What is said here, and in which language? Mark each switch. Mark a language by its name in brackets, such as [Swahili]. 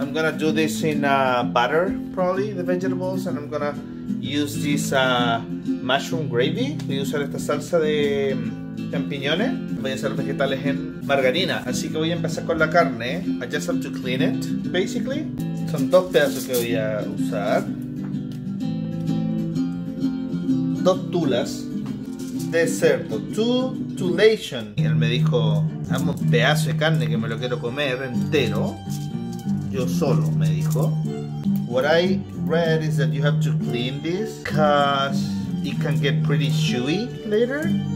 [English] I'm gonna do this in butter, probably, the vegetables, and I'm gonna use this mushroom gravy. [Spanish] Voy a usar esta salsa de champiñones. Voy a hacer vegetales en margarina. Así que voy a empezar con la carne. [English] I just have to clean it, basically. [Spanish] Son dos pedazos que voy a usar. Dos tulas de cerdo. [English] Two tulation. [Spanish] Y él me dijo, dame un pedazo de carne que me lo quiero comer entero. Yo solo, me dijo. [English] What I read is that you have to clean this because it can get pretty chewy later.